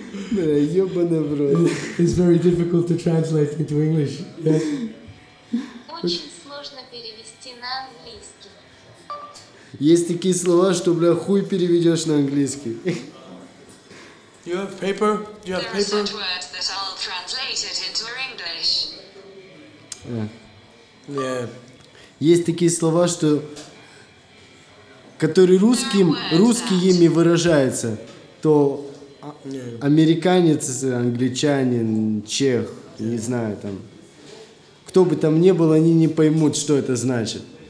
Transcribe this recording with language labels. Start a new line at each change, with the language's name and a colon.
Russian: Бля, ёбаный в рот.
English: It's very difficult to translate into English.
Russian: Очень сложно перевести на английский. Есть такие слова, что, бля, хуй переведешь на английский.
English: You have paper? You have paper? There are such words that I'll translate it into English. Yeah.
Russian: Есть такие слова, что... Которые русским, русский ими выражается, то американец, англичанин, чех, не знаю, там... Кто бы там ни был, они не поймут, что это значит.